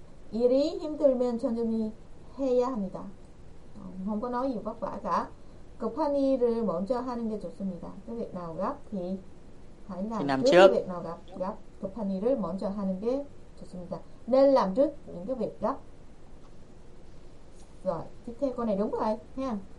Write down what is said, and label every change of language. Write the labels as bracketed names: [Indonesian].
[Korean] 일이 힘들면 천천히 해야 합니다. 뭔가 너무 바빠가 급한 일을 먼저 하는 게 좋습니다. [Vietnamese] 그 việc nào gấp thì phải làm trước. [Korean] 그 [Vietnamese] việc nào gấp [Korean] 급한 일을 먼저 하는 게 좋습니다. [Vietnamese] Nên làm trước những cái việc gấp. Rồi, tiếp theo câu này đúng rồi, ha.